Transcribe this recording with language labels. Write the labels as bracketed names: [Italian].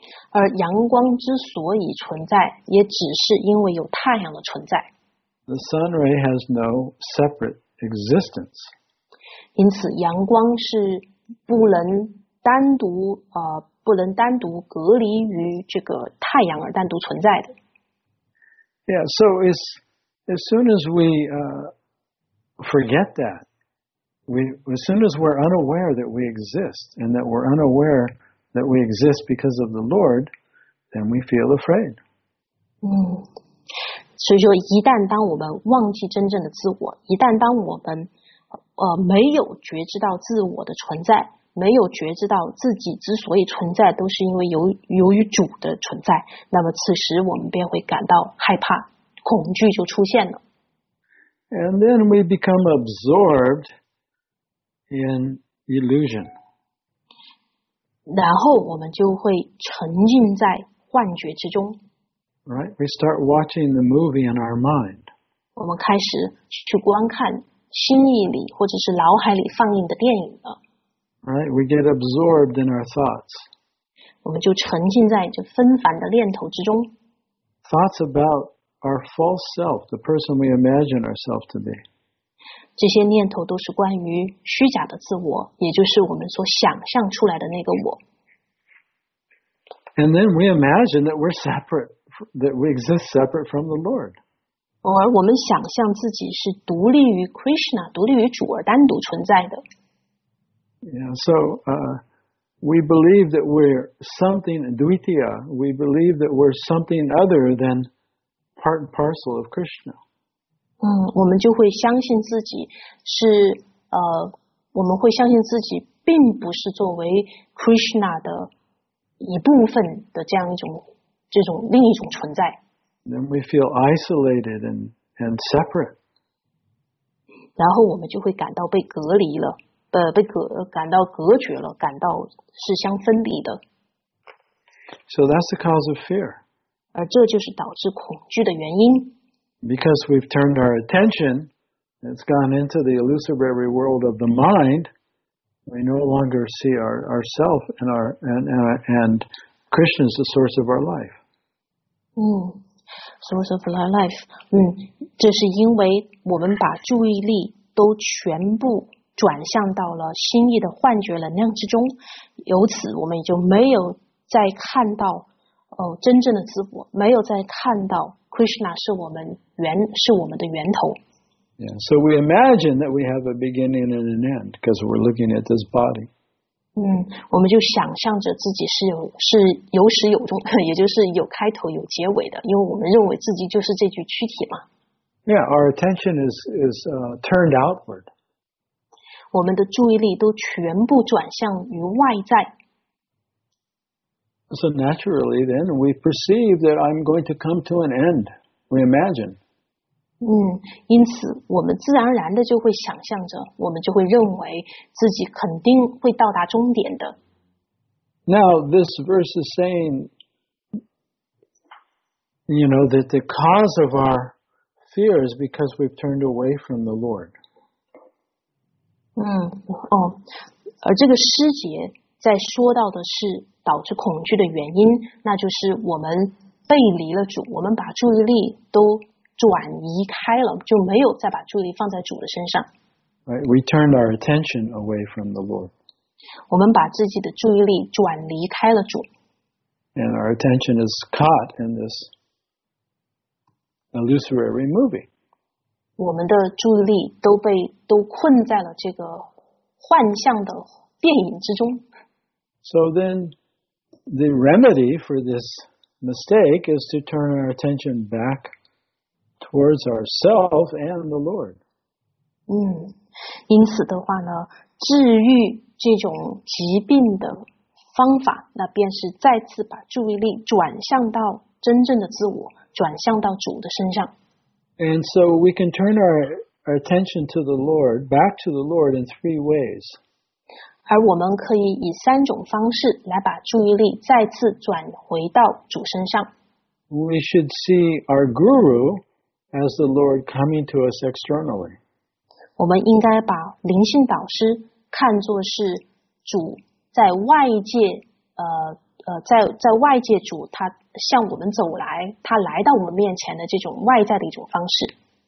[Chinese] 而阳光之所以存在，也只是因为有太阳的存在。 [English] The sun ray has no separate existence. [Chinese] 因此，阳光是不能单独不能单独隔离于这个太阳而单独存在的。 [English] Yeah, so as soon as we forget that, as soon as we're unaware that we exist and that we're unaware that we exist because of the Lord, then we feel afraid. [Chinese] 所以说一旦当我们忘记真正的自我，一旦当我们没有觉知到自我的存在，没有觉知到自己之所以存在都是因为由于主的存在，那么此时我们便会感到害怕，恐惧就出现了。 [English] And then we become absorbed in illusion. [Chinese] 然后我们就会沉浸在幻觉之中。 [English] Right, we start watching the movie in our mind. [Chinese] 我们开始去观看心意里或者是脑海里放映的电影了。 [English] Right, we get absorbed in our thoughts. [Chinese] 我们就沉浸在这纷繁的念头之中。 [English] Thoughts aboutOur false self, the person we imagine ourselves to be. [Chinese] 这些念头都是关于虚假的自我，也就是我们所想象出来的那个我。 [English] And then we imagine that we're separate, that we exist separate from the Lord. [Chinese] 而我们想象自己是独立于 Krishna, 独立于主而单独存在的。 [English] Yeah, so, we believe that we're something dvitiya, we believe that we're something other thanpart and parcel of Krishna. [Chinese] 我们就会相信自己是我们会相信自己并不是作为 Krishna 的一部分的这样一种这种另一种存在。 [English] Then we feel isolated and separate. [Chinese] 然后我们就会感到被隔离了，感到隔绝了，感到是相分离的。 [English] So that's the cause of fear. [Chinese] 而这就是导致恐惧的原因。 [English] Because we've turned our attention, it's gone into the illusory world of the mind, we no longer see ourself and Krishna is the source of our life. Source of our life. [Chinese] 这是因为我们把注意力都全部转向到了心意的幻觉能量之中，由此我们也就没有再看到真正的自我，没有再看到 Krishna 是我们的源头。 [English] Yeah, so we imagine that we have a beginning and an end because we're looking at this body. [Chinese] 我们就想象着自己是有始有终，也就是有开头有结尾的，因为我们认为自己就是这具躯体嘛。 [English] Yeah, our attention is turned outward. [Chinese] 我们的注意力都全部转向于外在。 [English] So naturally, then we perceive that I'm going to come to an end. We imagine. [Chinese] 因此我们自然而然的就会想象着，我们就会认为自己肯定会到达终点的。 [English] Now, this verse is saying, you know, that the cause of our fear is because we've turned away from the Lord. [Chinese] 而这个诗节在说到的是导致恐惧的原因，那就是我们背离了主，我们把注意力都转移开了，就没有再把注意力放在主的身上。 [English] Right, we turned our attention away from the Lord. [Chinese] 我们把自己的注意力转离开了主。 [English] And our attention is caught in this illusory movie. [Chinese] 我们的注意力都困在了这个幻象的电影之中。 [English] So then, the remedy for this mistake is to turn our attention back towards ourselves and the Lord. [Chinese] 因此的话呢，治愈这种疾病的方法，那便是再次把注意力转向到真正的自我，转向到主的身上。 [English] And so we can turn our attention to the Lord, back to the Lord in three ways. [Chinese] 而我们可以以三种方式来把注意力再次转回到主身上。 [English] We should see our guru as the Lord coming to us externally. [Chinese] 我们应该把灵性导师看作是主在外界在外界主他向我们走来，他来到我们面前的这种外在的一种方式。